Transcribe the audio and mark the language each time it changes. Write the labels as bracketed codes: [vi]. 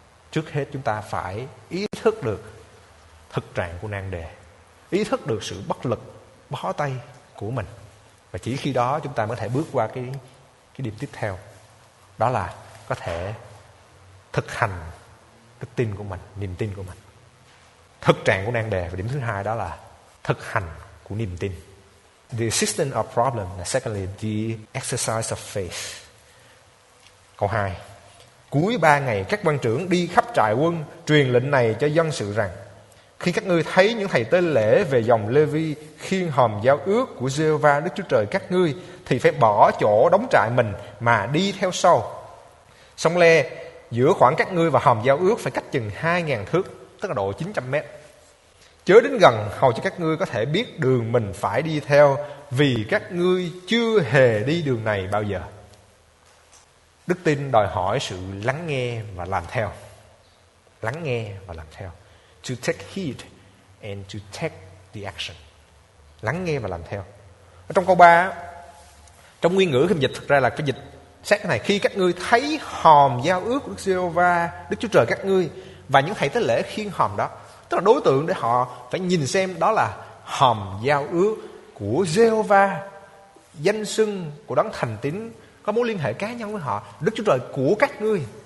[vi] Trước hết chúng ta phải ý thức được thực trạng của nan đề, ý thức được sự bất lực, bó tay của mình. Và chỉ khi đó chúng ta mới thể bước qua cái điểm tiếp theo. Đó là có thể thực hành đức tin của mình, niềm tin của mình. Thực trạng của nan đề. Và điểm thứ hai đó là thực hành của niềm tin. [en] The existence of problem. Secondly, the exercise of faith. [vi] Câu 2. Cuối 3 ngày, các quan trưởng đi khắp trại quân, truyền lệnh này cho dân sự rằng: khi các ngươi thấy những thầy tế lễ về dòng Lê-vi khiêng hòm giao ước của Giê-hô-va Đức Chúa Trời các ngươi, thì phải bỏ chỗ đóng trại mình mà đi theo sau. Sông Lê giữa khoảng các ngươi và hòm giao ước phải cách chừng 2000 thước, tức là độ 900 mét. Chớ đến gần hầu cho các ngươi có thể biết đường mình phải đi theo, vì các ngươi chưa hề đi đường này bao giờ. Đức tin đòi hỏi sự lắng nghe và làm theo. Lắng nghe và làm theo. [en] To take heed and to take the action. [vi] Lắng nghe và làm theo. Ở trong câu 3, trong nguyên ngữ khi dịch thực ra là cái dịch sát cái này: khi các ngươi thấy hòm giao ước của Đức Giê-hô-va, Đức Chúa Trời các ngươi, và những thầy tế lễ khiêng hòm đó, tức là đối tượng để họ phải nhìn xem đó là hòm giao ước của Giê-hô-va, danh xưng của đấng thành tín, có mối liên hệ cá nhân với họ, Đức Chúa Trời của các ngươi.